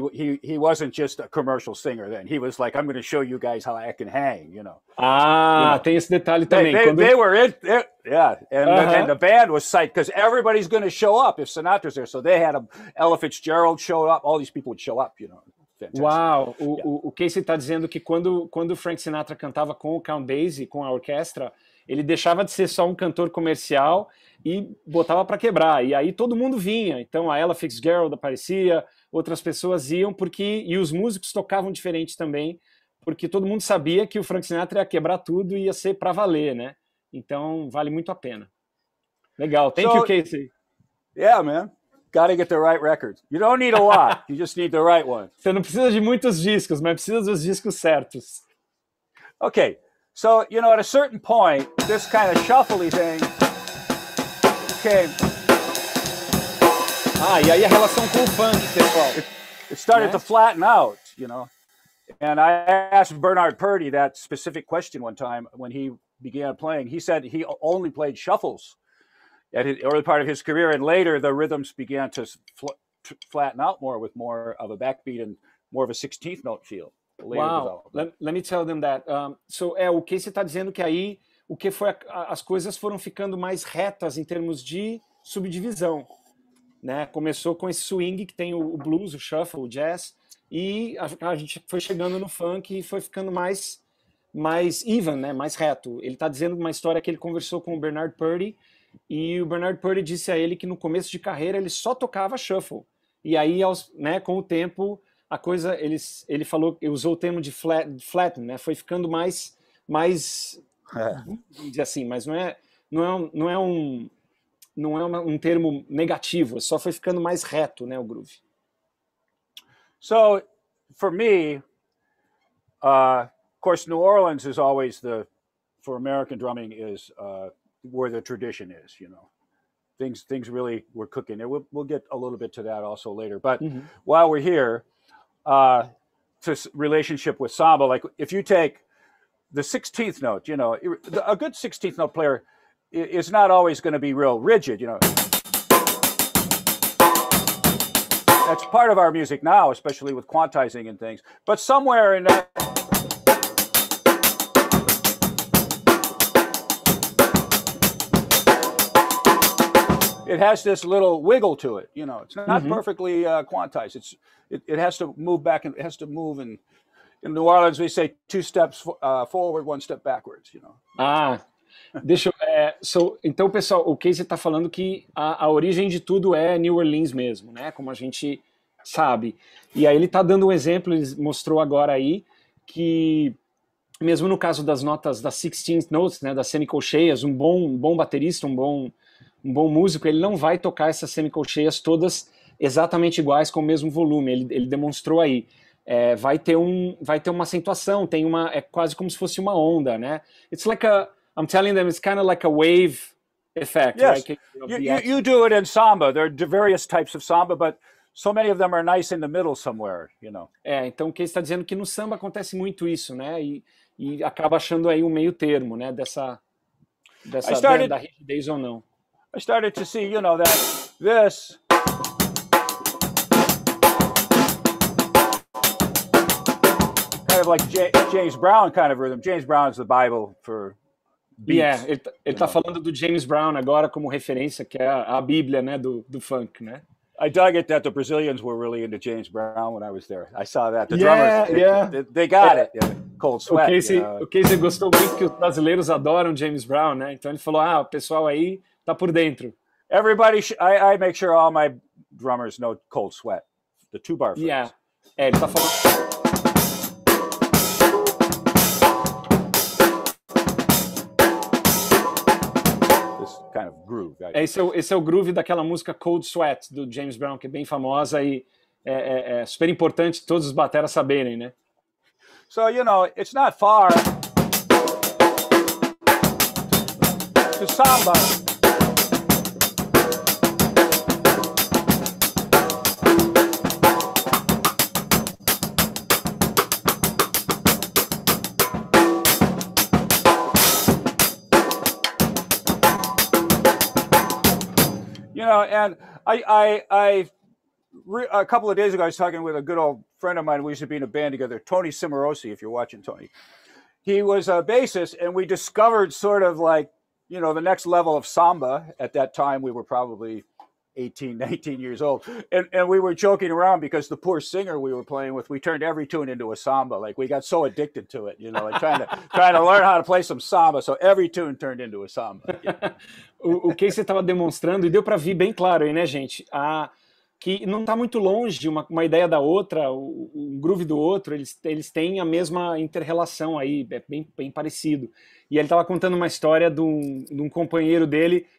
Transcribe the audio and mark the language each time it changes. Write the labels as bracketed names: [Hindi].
[English] He wasn't just a commercial singer then. He was like, I'm going to show you guys how I can hang, you know. [Portuguese] Ah, [English] you know? [Portuguese] Tem esse detalhe também. [English] They were in it. Yeah. And, and the band was psyched because everybody's going to show up if Sinatra's there. So they had Ella Fitzgerald show up. All these people would show up, you know. Fantastic. [Portuguese] Uau, o Casey está dizendo que quando Frank Sinatra cantava com o Count Basie, com a orquestra, ele deixava de ser só um cantor comercial e botava para quebrar, e aí todo mundo vinha, então a Ella Fitzgerald aparecia, outras pessoas iam, porque e os músicos tocavam diferente também, porque todo mundo sabia que o Frank Sinatra ia quebrar tudo e ia ser para valer, né? Então vale muito a pena. Legal, [English] thank you, [Portuguese] Casey. [English] Yeah, man. Gotta get the right records. You don't need a lot. You just need the right one. [Portuguese] Você não precisa de muitos discos, mas precisa dos discos certos. [English] Okay. So, you know, at a certain point, this kind of shuffly thing came. [Portuguese] Ah, e aí a relação com o funk, pessoal. [English] It started to flatten out, you know. And I asked Bernard Purdy that specific question one time when he began playing. He said he only played shuffles at the early part of his career, and later the rhythms began to flatten out more with more of a backbeat and more of a 16th note feel. Wow, let me tell them that. [Portuguese] So, o que você está dizendo que aí, o que foi, as coisas foram ficando mais retas em termos de subdivisão, né? Começou com esse swing que tem o blues, o shuffle, o jazz, e a gente foi chegando no funk e foi ficando mais even, né? Mais reto. Ele está dizendo uma história que ele conversou com o Bernard Purdy, e o Bernard Purdy disse a ele que no começo de carreira ele só tocava shuffle. E aí, né, com o tempo, a coisa, ele falou, usou o termo de flatten, né? Foi ficando mais é. Assim, mas não é um termo negativo, só foi ficando mais reto, né, o groove. [English] So, for me, of course, New Orleans is always for American drumming is where the tradition is, you know, things really were cooking. We'll get a little bit to that also later. But while we're here, this relationship with samba, like if you take the 16th note, you know, a good 16th note player is not always going to be real rigid, you know. That's part of our music now, especially with quantizing and things. But somewhere in that. It has this little wiggle to it, you know. It's not perfectly quantized. It has to move back, and it has to move. And in New Orleans, we say two steps forward, one step backwards, you know. [Portuguese] Ah, deixa eu... então, pessoal, o Casey está falando que a origem de tudo é New Orleans mesmo, né? Como a gente sabe. E aí ele está dando um exemplo, ele mostrou agora aí, que mesmo no caso das notas das 16th notes, né, das semicolcheias, um bom baterista, um bom músico, ele não vai tocar essas semicolcheias todas exatamente iguais com o mesmo volume, ele demonstrou aí. É, vai ter uma acentuação, tem uma, é quase como se fosse uma onda, né? [English] It's like a, I'm telling them, it's kind of like a wave effect. Yes, you do it in samba, there are various types of samba, but so many of them are nice in the middle somewhere, you know. [Portuguese] É, então o que ele está dizendo é que no samba acontece muito isso, né? E acaba achando aí um meio termo, né? Da rigidez ou não. [English] I started to see, you know, that this kind of like James Brown kind of rhythm. James Brown's the Bible for beats. [Portuguese] Yeah, ele tá falando do James Brown agora como referência, que é a Bíblia, né, do funk, né? [English] I dug it that the Brazilians were really into James Brown when I was there. I saw that. The yeah, drummers, yeah. They got it. Yeah. Cold sweat. [Portuguese] O Casey gostou muito que os brasileiros adoram James Brown, né? Então ele falou, ah, o pessoal aí... Tá por dentro. [English] Everybody, I make sure all my drummers know Cold Sweat, the two bar first. [Portuguese] Yeah. É, ele tá falando. [English] This kind of groove. [Portuguese] Esse é o groove daquela música Cold Sweat, do James Brown, que é bem famosa, e é super importante todos os bateras saberem, né? [English] So, you know, it's not far to samba. And a couple of days ago, I was talking with a good old friend of mine. We used to be in a band together, Tony Cimarosi, if you're watching, Tony. He was a bassist, and we discovered sort of like, you know, the next level of samba. At that time, we were probably 18, 19 years old. And we were joking around because the poor singer we were playing with, we turned every tune into a samba. Like, we got so addicted to it, you know, like trying to learn how to play some samba. So every tune turned into a samba. [Portuguese] O que você estava demonstrando, e deu para ver bem claro aí, né, gente? Que não está muito longe de uma ideia da outra, um groove do outro, eles têm a mesma inter-relação aí, é bem, bem parecido. E ele estava contando uma história de um companheiro dele.